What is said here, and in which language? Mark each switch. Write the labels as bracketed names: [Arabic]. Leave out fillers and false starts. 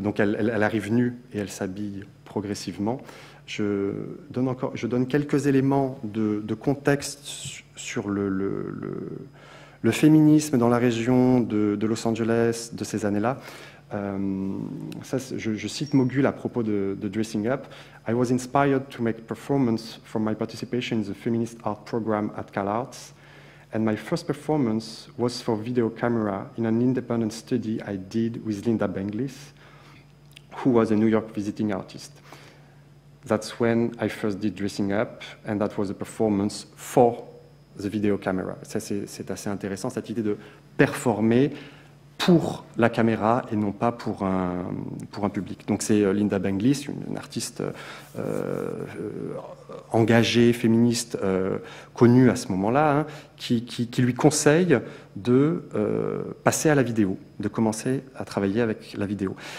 [French] Donc elle arrive nue et elle s'habille progressivement. Je donne quelques éléments de contexte sur le féminisme dans la région de Los Angeles de ces années-là. Je cite Mogul à propos de Dressing Up. [English] I was inspired to make performance from my participation in the feminist art program at CalArts, and my first performance was for video camera in an independent study I did with Linda Benglis, who was a New York visiting artist. That's when I first did Dressing Up, and that was a performance for the video camera. [French] Ça, c'est assez intéressant, cette idée de performer pour la caméra et non pas pour un public. Donc c'est Linda Benglis, une artiste engagée, féministe, connue à ce moment-là, hein, qui lui conseille de passer à la vidéo, de commencer à travailler avec la vidéo.